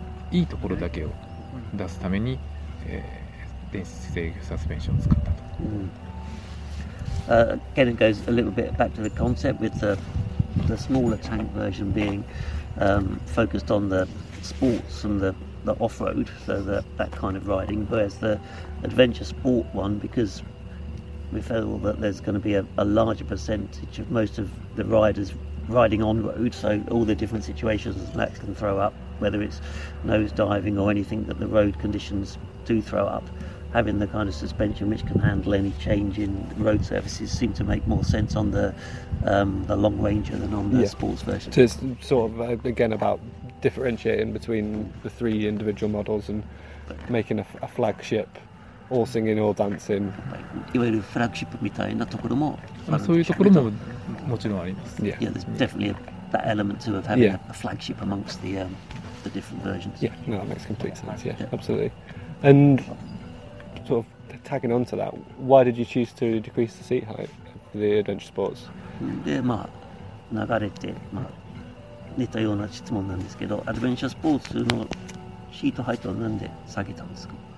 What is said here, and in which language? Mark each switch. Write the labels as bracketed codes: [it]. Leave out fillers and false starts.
[ja] いいところだけを出すために、電子制御サスペンションを使ったと。 [en] Again, it goes a little bit back to the concept with the smaller tank version being focused on the sports and the off-road, so that kind of riding, whereas the adventure sport one, because we feel that there's going to be a larger percentage of most of the riders riding on road, so all the different situations that can throw up, whether it's nose diving or anything that the road conditions do throw up, having the kind of suspension which can handle any change in road surfaces seem to make more sense on the long ranger than on the sports version. It's sort of again about differentiating between the three individual models and making a flagship. All singing, all dancing. [ja] いわゆるフラッグシップみたいなところも、そういうところももちろんあります。 [en] Yeah, there's definitely that element too of having a flagship amongst the different versions. Yeah, no, that makes complete sense. Yeah, absolutely. And sort of tagging on to that, why did you choose to decrease the seat height for the adventure sports? [ja] で、まあ、流れて、まあ、似たような質問なんですけど、アドベンチャースポーツのシートハイトをなんで下げたんですか？